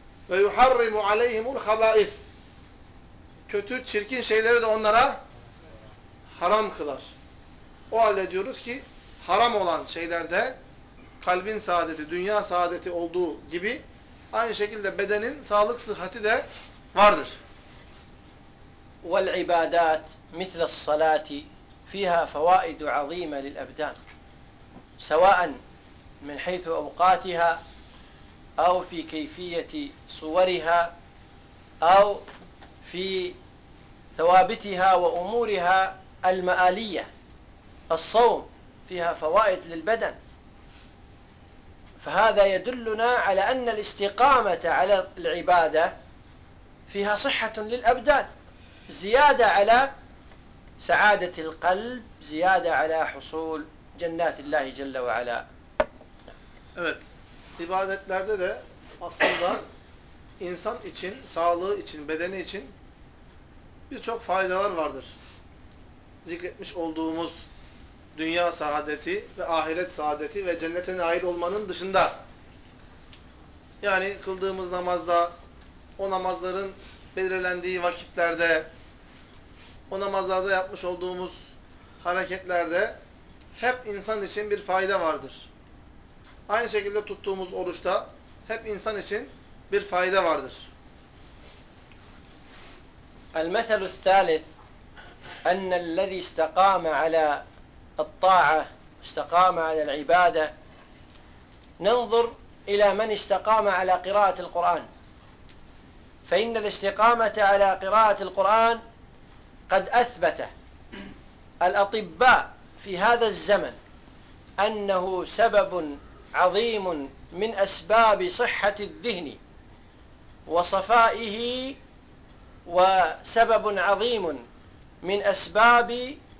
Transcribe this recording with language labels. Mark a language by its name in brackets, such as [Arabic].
[Arabic] وَيُحَرِّمُ عَلَيْهِمُ الْخَبَائِثِ [Turkish] kötü, çirkin şeyleri de onlara haram kılar. O halde diyoruz ki haram olan şeylerde kalbin saadeti, dünya saadeti olduğu gibi aynı şekilde bedenin sağlık sıhhati de vardır. [Arabic] وَالْعِبَادَاتِ مِثْلَ الصَّلَاتِ فِيهَا فَوَائِدُ عَظِيمَ لِلْأَبْدَانِ سواء من حيث أوقاتها أو في كيفية صورها أو في ثوابتها وأمورها المآلية الصوم فيها فوائد للبدن ف فهذا يدلنا على أن الاستقامة على العبادة فيها صحة للأبدان، زيادة على سعادة القلب، زيادة على حصول جنات الله جل وعلا. [Turkish] Evet, ibadetlerde de aslında insan için, sağlığı için, bedeni için birçok faydalar vardır. Zikretmiş olduğumuz dünya saadeti ve ahiret saadeti ve cennete nail olmanın dışında, yani kıldığımız namazda, o namazların belirlendiği vakitlerde, o namazlarda yapmış olduğumuz hareketlerde hep insan için bir fayda vardır. Aynı şekilde tuttuğumuz oruçta hep insan için bir fayda vardır. [Arabic] المثل الثالث أن الذي استقام على الطاعة استقام على العبادة ننظر إلى من استقام على قراءة القرآن فإن الاستقامة على قراءة القرآن قد أثبت الأطباء في هذا الزمن أنه سبب عظيم من أسباب صحة الذهن وصفائه وسبب عظيم من أسباب